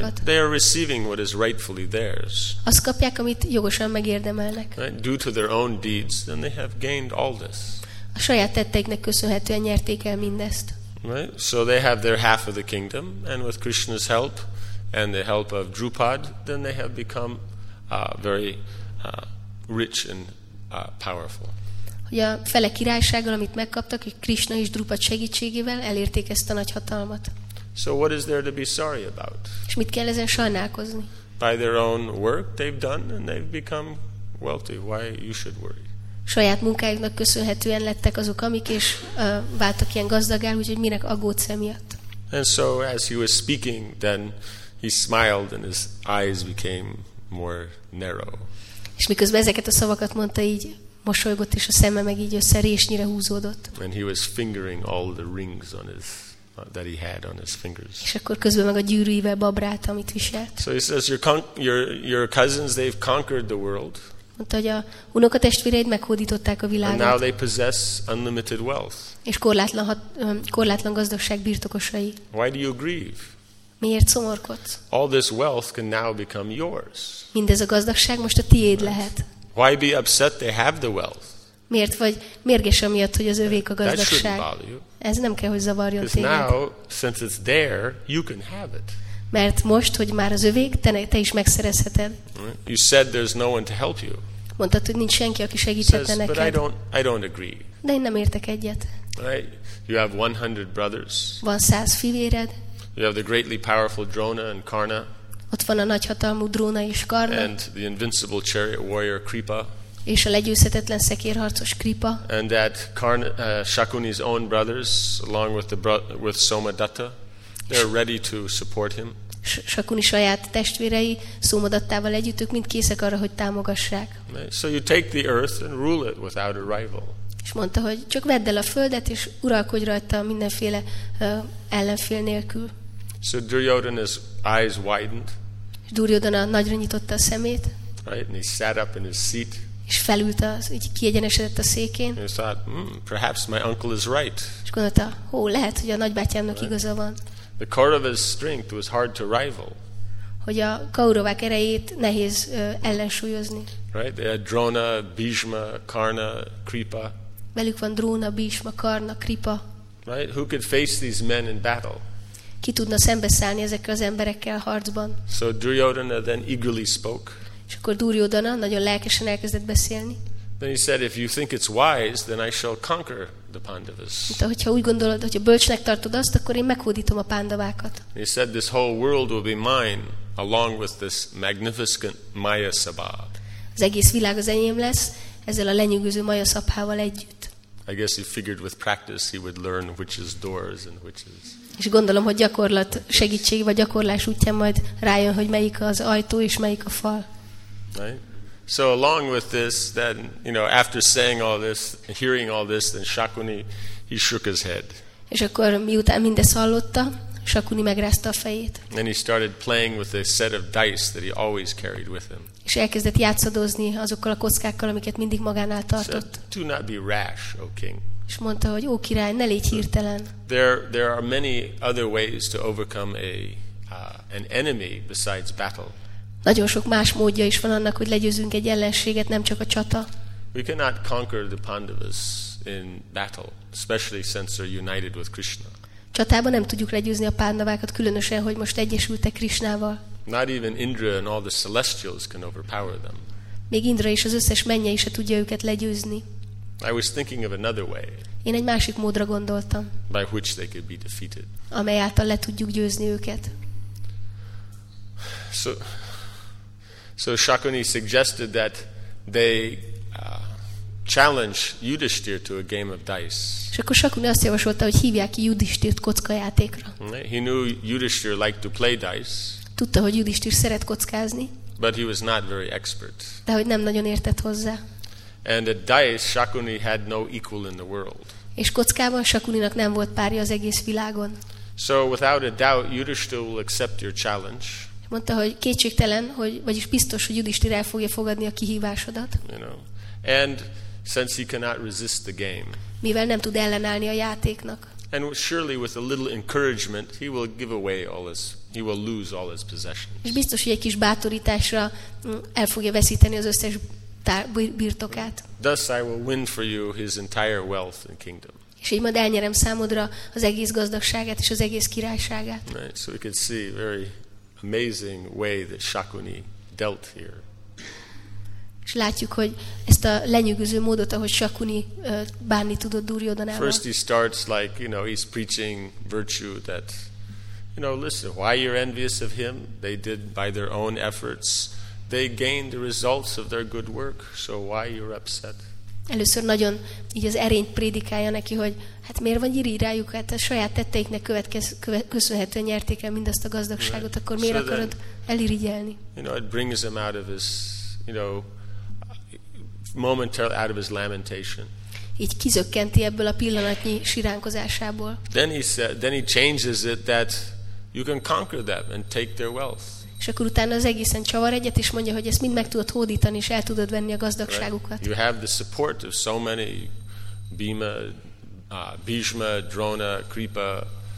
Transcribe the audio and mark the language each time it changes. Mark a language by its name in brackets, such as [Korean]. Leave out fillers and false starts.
[English] Right? They are receiving what is rightfully theirs. [Hungarian] Azt kapják, amit jogosan megérdemelnek. [English] Right? Due to their own deeds, then they have gained all this. [Hungarian] A saját tetteiknek köszönhetően nyerték el mindezt. [English] Right? So they have their half of the kingdom, and with Krishna's help, and the help of Drupad, then they have become very rich and powerful. [Hungarian] Hogy a fele királysággal, amit megkaptak, hogy Krishna és Drupad segítségével elérték ezt a nagy hatalmat. [English] So what is there to be sorry about? [Hungarian] És mit kell ezen sajnálkozni? [English] By their own work they've done and they've become wealthy. Why you should worry? [Hungarian] Saját munkájuknak köszönhetően lettek azok, amik és váltak ilyen gazdaggá, úgyhogy minek aggódsz emiatt? [English] And so as he was speaking, then he smiled and his eyes became more narrow. [Hungarian] És miközben ezeket a szavakat mondta, így mosolygott, és a szeme meg így összerésnyire húzódott. [English] And he was fingering all the rings on his that he had on his fingers. [Hungarian] És akkor közben meg a gyűrűivel babrált, amit viselt. [English] So he says, your cousins, they've conquered the world. [Hungarian] Mondta, hogy a unokatestvéreid meghódították a világot. [English] And now they possess unlimited wealth. [Hungarian] És korlátlan gazdagság birtokosai. [English] Why do you grieve? [Hungarian] Miért szomorkodsz? [English] All this wealth can now become yours. [Hungarian] Mindez a gazdagság most a tiéd right. lehet. [English] Why be upset they have the wealth? [Hungarian] Miért vagy mérges amiatt, hogy az övék a gazdagság? [English] That shouldn't bother you. [Hungarian] Ez nem kell, hogy zavarjon téged. [English] Because now, since it's there, you can have it. [Hungarian] Mert most, hogy már az övék, te is megszerezheted. [English] You said there's no one to help you. [Hungarian] Mondtad, hogy nincs senki, aki segíthetne [English] says, [Hungarian] neked. [English] But I don't agree. [Hungarian] De én nem értek egyet. [English] Right? You have 100 brothers. [Hungarian] Van 100 fivéred. [English] You have the greatly powerful Drona and Karna. [Hungarian] Ott van a nagyhatalmú Drona és Karna. [English] And the invincible chariot warrior Kripa. [Hungarian] És a legyőzhetetlen szekérharcos Kripa. [English] And that Karna, Shakuni's own brothers, along with the with Somadatta, they're ready to support him. [Hungarian] Shakuni saját testvérei Somadattával együtt, ők mind készek arra, hogy támogassák. [English] So you take the earth and rule it without a rival. [Hungarian] És mondta, hogy csak vedd el a földet és uralkodj rajta mindenféle ellenfél nélkül. [English] So Duryodhana's eyes widened. [Hungarian] Duryodhana nagyra nyitotta a szemét. [English] Right, and he sat up in his seat. [Hungarian] És felült az, így kiegyenesedett a székén. [English] He thought, perhaps my uncle is right. [Hungarian] És gondolta, hó, lehet, hogy a nagybátyámnak right. igaza van. [English] The Kauravas' strength was hard to rival. [Hungarian] Hogy a Kauravák erejét nehéz ellensúlyozni. [English] Right, they had Drona, Bhishma, Karna, Kripa. [Hungarian] Velük van Drona, Bhishma, Karna, Kripa. [English] Right, who could face these men in battle? [Hungarian] Ki tudna szembeszállni ezekkel az emberekkel harcban? [English] So Duryodhana then eagerly spoke. [Hungarian] És akkor Duryodhana nagyon lelkesen elkezdett beszélni. [English] Then he said, if you think it's wise, then I shall conquer the Pandavas. [Hungarian] De hogyha úgy gondolod, hogy a bölcsnek tartod azt, akkor én meghódítom a Pandavákat. [English] He said, this whole world will be mine, along with this magnificent Maya Sabha. [Hungarian] Az egész világ az enyém lesz, ezzel a lenyűgöző Maya Sabhával együtt. [English] I guess he figured with practice he would learn which is doors and which is. [Hungarian] És gondolom, hogy gyakorlat segítség vagy gyakorlás útján majd rájön, hogy melyik az ajtó és melyik a fal. [English] Right. So along with this, then you know, after saying all this, hearing all this, then Shakuni, he shook his head. [Hungarian] És akkor miután mindezt hallotta, Shakuni megrázta a fejét. [English] Then he started playing with a set of dice that he always carried with him. [Hungarian] És elkezdett játszadozni azokkal a kockákkal, amiket mindig magánál tartott. [English] Do not be rash, O king. [Hungarian] És mondta, hogy ó király, ne légy hirtelen. [English] There are many other ways to overcome an enemy besides battle. [Hungarian] Nagyon sok más módja is van annak, hogy legyőzünk egy ellenséget, nem csak a csata. [English] We cannot conquer the Pandavas in battle, especially since they're united with Krishna. [Hungarian] Csatában nem tudjuk legyőzni a Pandavákat, különösen, hogy most egyesültek Krishnával. [English] Not even Indra and all the celestials can overpower them. [Hungarian] Még Indra és az összes mennyei se tudja őket legyőzni. [English] I was thinking of another way. [Hungarian] Én egy másik módra gondoltam. [English] By which they could be defeated. [Hungarian] Amely által le tudjuk győzni őket. [English] So Shakuni suggested that they challenge Yudhishthir to a game of dice. [Hungarian] És akkor Shakuni azt javasolta, hogy hívják ki Yudhishthirt kockajátékra. [English] He knew Yudhishthir liked to play dice. [Hungarian] Tudta, hogy Yudhishthir szeret kockázni. [English] But he was not very expert. [Hungarian] De hogy nem nagyon értett hozzá. [English] And at dice, Shakuni had no equal in the world. [Hungarian] És kockában Shakuninak nem volt párja az egész világon. [English] So without a doubt, Yudhishthir will accept your challenge. [Hungarian] Mondta, hogy kétségtelen, hogy vagyis biztos, hogy Yudhishthir el fogja fogadni a kihívásodat. [English] You know. And since he cannot resist the game. [Hungarian] Mivel nem tud ellenállni a játéknak. [English] And surely with a little encouragement, he will give away all his, he will lose all his possessions. [Hungarian] És biztos, hogy egy kis bátorításra el fogja veszíteni az összes birtokát. [English] Thus I will win for you his entire wealth and kingdom. [Hungarian] És így majd elnyerem számodra az egész gazdagságát és az egész királyságát. [English] Right, so we can see very amazing way that Shakuni dealt here. [Hungarian] És látjuk, hogy ezt a lenyűgöző módot, ahogy Shakuni bánni tudott Duryodhanával. [English] First he starts like, you know, he's preaching virtue that, you know, listen, why you're envious of him? They did by their own efforts. They gained the results of their good work, so why you're upset? [Hungarian] Először nagyon így az erényt prédikálja neki, hogy hát miért van irigy rájuk, hát a saját tetteiknek köszönhetően nyerték el mindazt a gazdagságot, right. Akkor miért so akarod elirigyelni? [English] You know, it brings him out of his, you know, momentarily out of his lamentation. [Hungarian] Így kizökkenti ebből a pillanatnyi siránkozásából. [English] Then he changes it that you can conquer them and take their wealth. [Hungarian] És akkor utána az egészen csavar egyet, és mondja, hogy ezt mind meg tudod hódítani, és el tudod venni a gazdagságukat. [English] You have the support of so many Bhima, Bhishma, Drona, Kripa,